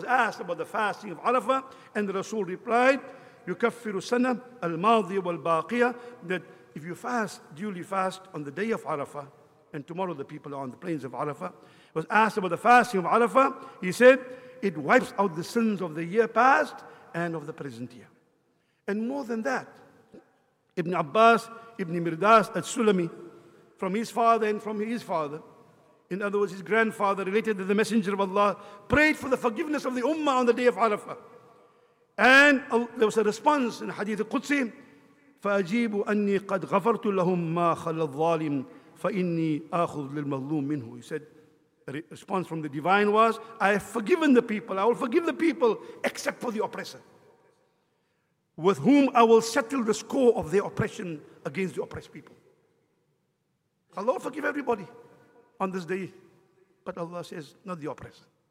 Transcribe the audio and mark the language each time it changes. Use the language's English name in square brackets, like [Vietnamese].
[English] He was asked about the fasting of Arafah, and the Rasul replied, [Arabic] yukaffiru sana al-madhiya wal-baqiya, [English] that if you fast, duly fast on the day of Arafah, and tomorrow the people are on the plains of Arafah, was asked about the fasting of Arafah, he said, it wipes out the sins of the year past and of the present year. And more than that, Ibn Abbas, Ibn Mirdas al-Sulami, from his father and from his father, in other words, his grandfather, related that the Messenger of Allah prayed for the forgiveness of the Ummah on the day of Arafah. And there was a response in Hadith al-Qudsi, [Arabic] فَأَجِيبُ أَنِّي قَدْ غَفَرْتُ لَهُمْ مَا خَلَى الظَّالِمِ فَإِنِّي أَخُذْ لِلْمَظْلُومِ مِنْهُ. [English] He said, the response from the Divine was, I have forgiven the people, I will forgive the people, except for the oppressor, with whom I will settle the score of their oppression against the oppressed people. Allah will forgive everybody on this day, but Allah says, not the oppressor.